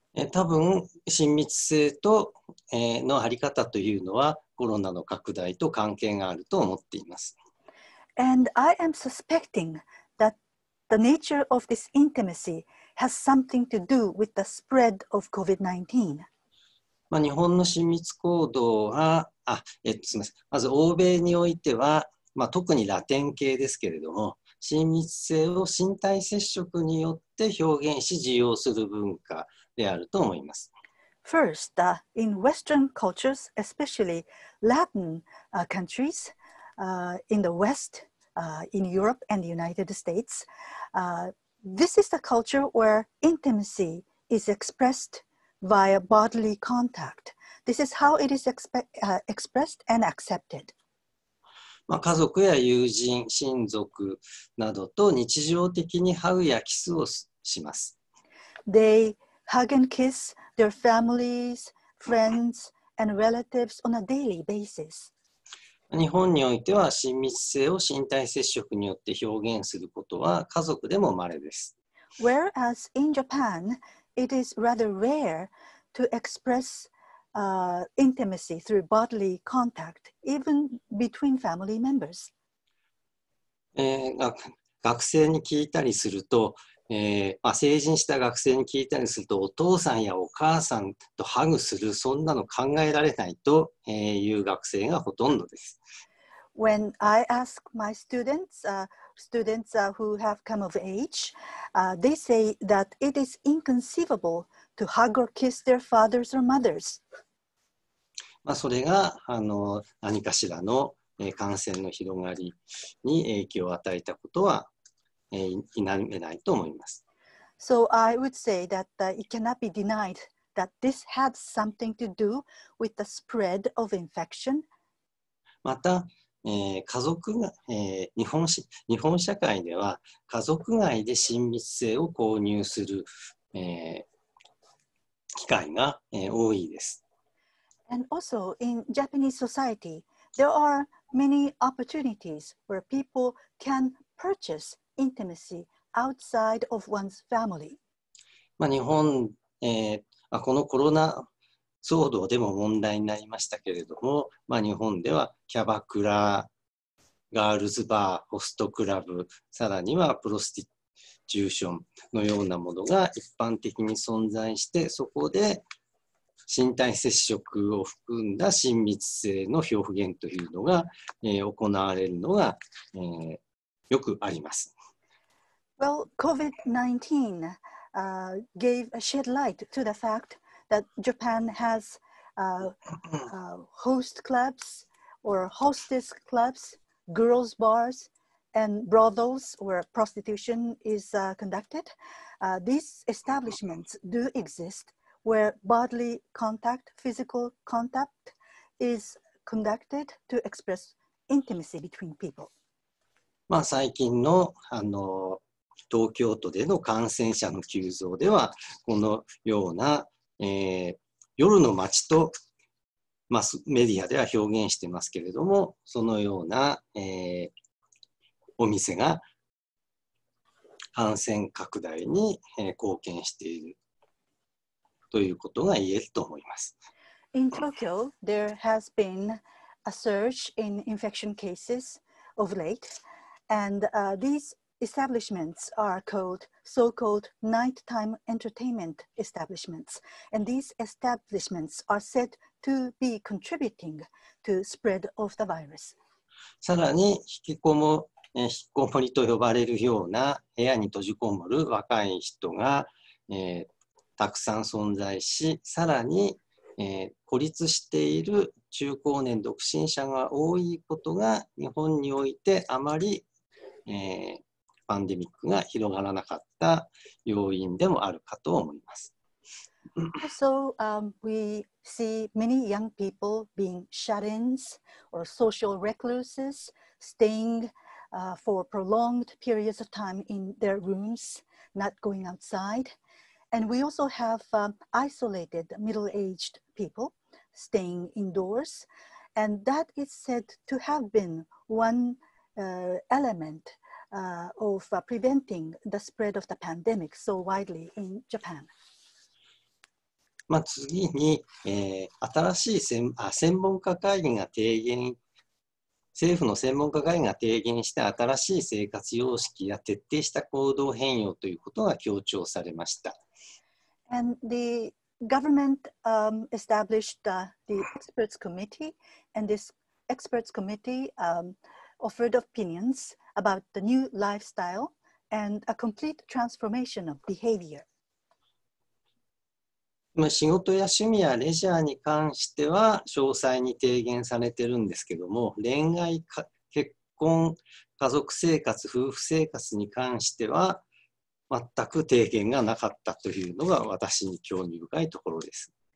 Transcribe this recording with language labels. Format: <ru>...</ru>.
<ja>多分親密性と、のあり方というのはコロナの拡大と関係があると思っています。</ja> <en>And I am suspecting that the nature of this intimacy has something to do with the spread of COVID-19.</en> <ja>まあ、日本の親密行動は、すみません。まず欧米においては、まあ、特にラテン系ですけれども、親密性を身体接触によって表現し、使用する文化であると思います。</ja> <en>First, in Western cultures, especially Latin countries, in the West, in Europe and the United States, this is the culture where intimacy is expressedvia bodily contact. This is how it is expressed and accepted.</en> <ja>まあ、家族や友人、親族などと日常的にハグやキスをします。</ja> <en>They hug and kiss their families, friends, and relatives on a daily basis.</en> <ja>日本においては親密性を身体接触によって表現することは家族でも稀です。</ja> <en>Whereas in Japan,It is rather rare to express intimacy through bodily contact, even between family members.</en> <ja>学生に聞いたりすると、成人した学生に聞いたりすると、お父さんやお母さんとハグする、そんなの考えられないという学生がほとんどです。</ja> <en>When I ask my students, students who have come of age, they say that it is inconceivable to hug or kiss their fathers or mothers.</en> <ja>まあそれが何かしらの感染の広がりに影響を与えたことは否めないと思います。</ja> <en>So I would say that it cannot be denied that this had something to do with the spread of infection.</en> <ja>また家族が日本社会では家族外で親密性を購入する、機会が、多いです。</ja> <en>And also in Japanese society, there are many opportunities where people can purchase intimacy outside of one's family.</en> <ja>まあ日本、このコロナ騒動でも問題になりましたけれども、まあ、日本ではキャバクラ、ガールズバー、ホストクラブ、さらにはプロスティチューションのようなものが一般的に存在して、そこで身体接触を含んだ親密性の表現というのが、行われるのが、よくあります。</ja> <en>Well, COVID-19, shed light to the fact that Japan has host clubs or hostess clubs, girls bars, and brothels where prostitution is conducted. These establishments do exist where bodily contact, physical contact is conducted to express intimacy between people.</en> <ja>まあ最近の東京都での感染者の急増ではこのような夜の街と、まあ、メディアでは表現してますけれども、そのような、お店が感染拡大に貢献しているということが言えると思います。</ja> <en>In Tokyo, there has been a surge in infection cases of late, and these establishments are called so-called nighttime entertainment establishments, and these establishments are said to be contributing to spread of the virus.</en> <ja>さらに引きこもりと呼ばれるような部屋に閉じこもる若い人が、たくさん存在し、さらに孤立している中高年独身者が多いことが日本においてあまり、パンデミックが広がらなかった要因でもあるかと思います。</ja> <en>Also, we see many young people being shut-ins or social recluses, staying for prolonged periods of time in their rooms, not going outside. And we also have isolated middle-aged people staying indoors. And that is said to have been one element of preventing the spread of the pandemic so widely in Japan.</en> <ja>まあ次に、専門家会議が提言、政府の専門家会議が提言した新しい生活様式や徹底した行動変容ということが強調されました。</ja> <en>And the government established the experts committee, and this experts committee offered opinions about the new lifestyle and a complete transformation of behavior.</en> <ja>仕事や趣味やレジャーに関しては詳細に提言されてるんですけども、恋愛、結婚、家族生活、夫婦生活に関しては全く提言がなかったというのが私に興味深いところです。</ja>